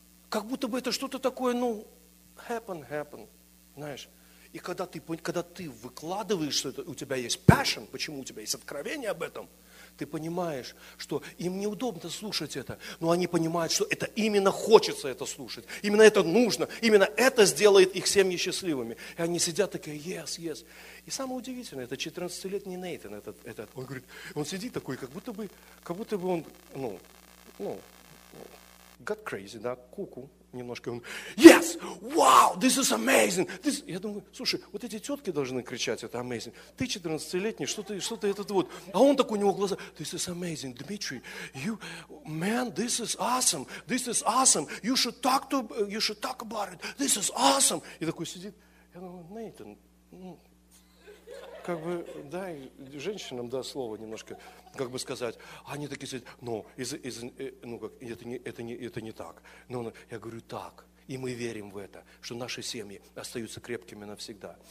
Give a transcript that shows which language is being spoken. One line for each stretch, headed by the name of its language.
Russian: Как будто бы это что-то такое, ну,
English: happen.
Russian: Знаешь, и когда ты выкладываешь, что это, у тебя есть
English: passion,
Russian: почему у тебя есть откровение об этом, ты понимаешь, что им неудобно слушать это, но они понимают, что это именно хочется это слушать, именно это нужно, именно это сделает их семьи счастливыми. И они сидят такие,
English: yes.
Russian: И самое удивительное, это 14-летний Нейтан, этот, он говорит, он сидит такой, как будто бы он, ну,
English: got crazy,
Russian: да, ку-ку. Немножко он,
English: yes, wow, this is amazing.
Russian: Я думаю, слушай, вот эти тетки должны кричать, это
English: amazing.
Russian: Ты 14-летний, что ты этот вот. А он так у него глаза,
English: this is amazing,
Russian: Dimitry.
English: You, man, this is awesome. You should talk about it. This is awesome.
Russian: И такой сидит, я думаю, Нейтан, ну, как бы, дай женщинам, да, слово немножко, как бы сказать. А они такие сидят, это не так. Но я говорю, так, и мы верим в это, что наши семьи остаются крепкими навсегда.